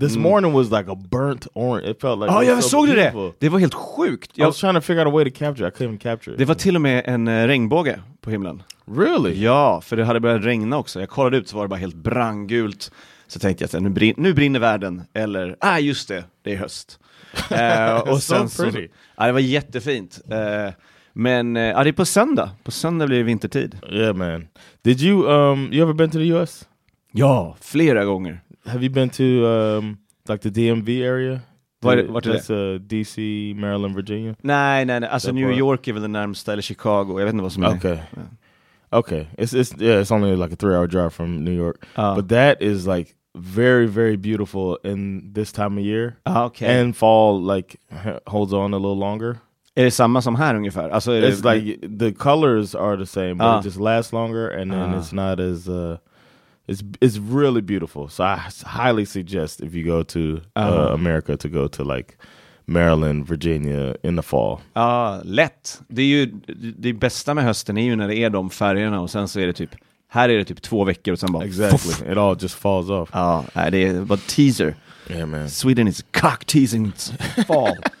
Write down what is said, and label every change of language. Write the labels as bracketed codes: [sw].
[en] This morning was like a burnt orange. It felt like Beautiful. [sv] Det var helt sjukt. [en] I was trying to figure out a way to capture it. I couldn't even capture it. [sv] Det var till och med en regnbåge på himlen. [en] Really? [sv] Ja, för det hade börjat regna också. Jag kollade ut så var det bara helt brandgult. Så tänkte jag att nu brinner världen. Eller, just det är höst. Och sen [en] so pretty. [sv] Det var jättefint. Men det är på söndag. På söndag blir det vintertid. [en] Yeah, man. Did you, you ever been to the US? [sv] Ja, flera gånger. [en] Have you been to like the DMV area? What is that? DC, Maryland, Virginia? [sv] Nej. Alltså New York är väl den närmaste, eller Chicago. Jag vet inte vad som är. [en] Okay. Yeah. Okay. It's only like a 3-hour drive from New York. But that is like very, very beautiful in this time of year. Okay. And fall like holds on a little longer. [sv] Är det samma som här ungefär? [en] Alltså, it's like the colors are the same, but it just lasts longer and then it's not as... It's really beautiful. So I highly suggest if you go to America to go to like Maryland, Virginia in the fall. [sv] Lätt. Det är ju det bästa med hösten är ju när det är de färgerna och sen så är det typ här är det typ 2 veckor och sen bara [en] exactly. It all just falls off. [sv] Det är bara teaser. [en] Yeah, man. Sweden is cock teasing fall.